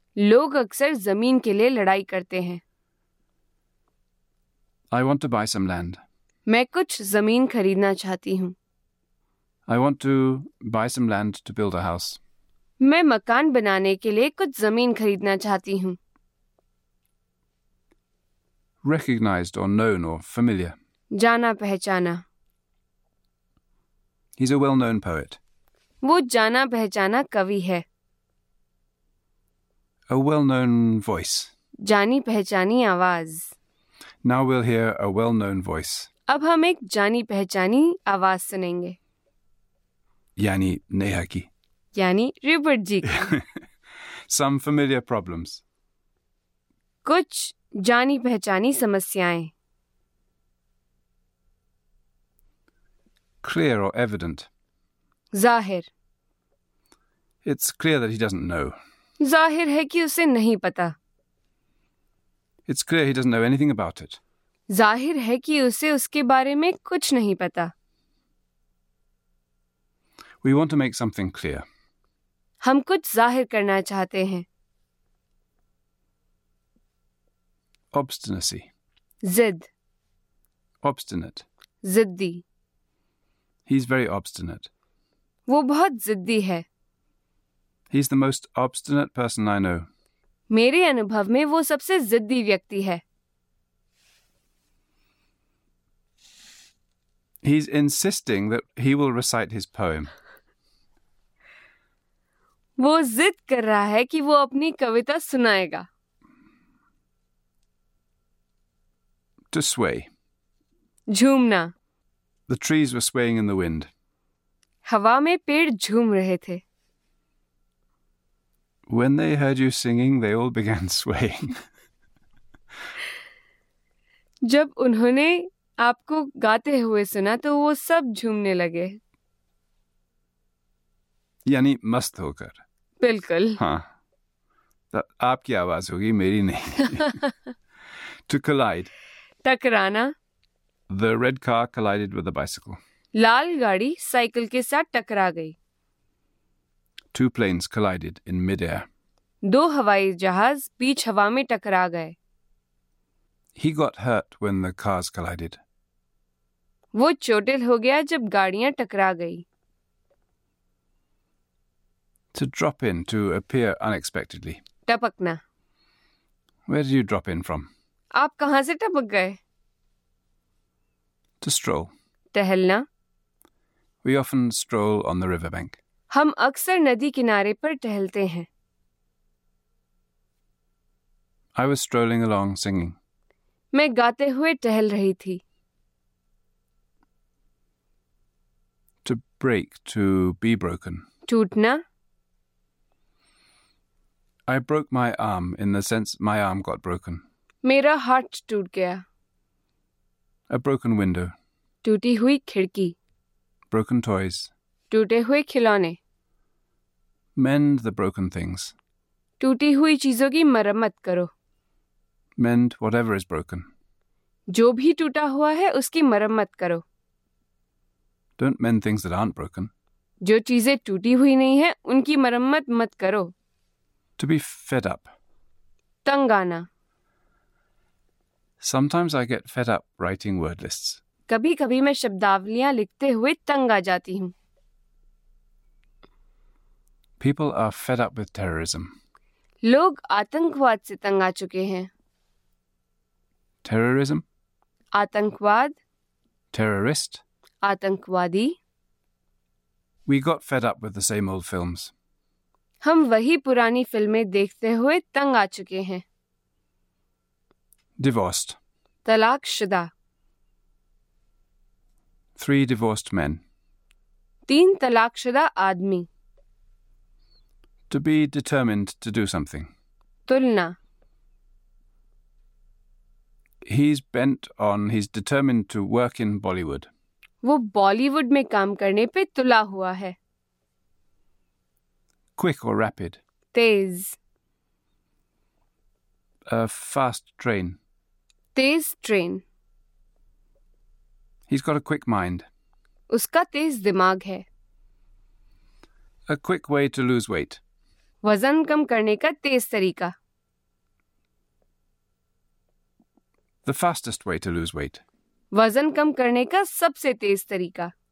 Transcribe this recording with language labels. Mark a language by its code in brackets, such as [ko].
[hi] लोग अक्सर जमीन के लिए लड़ाई करते हैं. [en] I want to buy some land. [hi] मैं कुछ जमीन खरीदना चाहती हूँ. [en] I want to buy some land to build a house. [hi] मैं मकान बनाने के लिए कुछ जमीन खरीदना चाहती हूँ. [en] Recognized or known or familiar. [hi] जाना पहचाना. [en] He's a well-known poet. [hi] वो जाना पहचाना कवि है. [en] A well-known voice. [hi] जानी पहचानी आवाज. [en] Now we'll hear a well-known voice. [hi] अब हम एक जानी पहचानी आवाज सुनेंगे. यानी नेहा की. यानी रूपर्ट जी की. [en] Some familiar problems. [hi] कुछ जानी पहचानी समस्याएं. [en] Clear or evident. [hi] जाहिर. [en] It's clear that he doesn't know. [hi] जाहिर है कि उसे नहीं पता. [en] It's clear he doesn't know anything about it. [hi] जाहिर है कि उसे उसके बारे में कुछ नहीं पता. [en] We want to make something clear. [hi] हम कुछ जाहिर करना चाहते हैं. [en] Obstinacy. [hi] जिद. [en] Obstinate. [hi] जिद्दी. [en] He's very obstinate. [hi] वो बहुत जिद्दी है. [en] He's the most obstinate person I know. [hi] मेरे अनुभव में वो सबसे जिद्दी व्यक्ति है. [en] He's insisting that he will recite his poem. [hi] वो जिद कर रहा है कि वो अपनी कविता सुनाएगा. [en] To sway. [hi] झूमना. [en] The trees were swaying in the wind. [hi] हवा में पेड़ झूम रहे थे. [en] When they heard you singing, they all began swaying. [hi] जब उन्होंने आपको गाते हुए सुना तो वो सब झूमने लगे. यानी मस्त होकर. बिल्कुल. हाँ, तो आपकी आवाज होगी, मेरी नहीं. [en] To collide. [hi] टकराना. [en] The red car collided with the bicycle. [hi] लाल गाड़ी साइकिल के साथ टकरा गई. [en] Two planes collided in mid-air. [hi] दो हवाई जहाज बीच हवा में टकरा गए. [en] He got hurt when the cars collided. [hi] वो चोटिल हो गया जब गाड़ियां टकरा गई। [en] To drop in, to appear unexpectedly. [hi] टपकना। [en] Where did you drop in from? [hi] आप कहां से टपक गए? [en] To stroll. [hi] टहलना। [en] We often stroll on the riverbank. [hi] हम अक्सर नदी किनारे पर टहलते हैं। [en] I was strolling along singing. [hi] मैं गाते हुए टहल रही थी। [en] To break, to be broken. [hi] टूटना। [en] I broke my arm in the sense my arm got broken. [hi] मेरा हाथ टूट गया। [en] A broken window. [hi] टूटी हुई खिड़की। [en] Broken toys. [hi] टूटे हुए खिलौने। [en] Mend the broken things. [hi] टूटी हुई चीजों की मरम्मत करो। [en] Mend whatever is broken. [hi] जो भी टूटा हुआ है उसकी मरम्मत करो। [en] Don't mend things that aren't broken. [hi] जो चीजें टूटी हुई नहीं है उनकी मरम्मत मत करो। [en] To be fed up. [hi] तंग आना। [en] Sometimes I get fed up writing word lists. [hi] कभी कभी मैं शब्दावलियां लिखते हुए तंग आ जाती हूँ। [en] People are fed up with terrorism. [hi] लोग आतंकवाद से तंग आ चुके हैं। [en] Terrorism? [hi] आतंकवाद। [en] Terrorist? [hi] आतंकवादी। [en] We got fed up with the same old films. [hi] हम वही पुरानी फिल्में देखते हुए तंग आ चुके हैं। [en] Divorced. [hi] तलाकशुदा। [en] Three divorced men. [hi] तीन तलाकशुदा आदमी। [en] To be determined to do something. [hi] तुलना। [en] He's bent on, he's determined to work in Bollywood. [hi] वो बॉलीवुड में काम करने पे तुला हुआ है। [en] Quick or rapid. [hi] Tej. [en] A fast train. [hi] Tej train. [en] He's got a quick mind. [hi] उसका तेज दिमाग है। [en] A quick way to lose weight. [hi] वजन कम करने का तेज तरीका। [en] The fastest way to lose weight. [hi] वजन कम करने का सबसे तेज तरीका।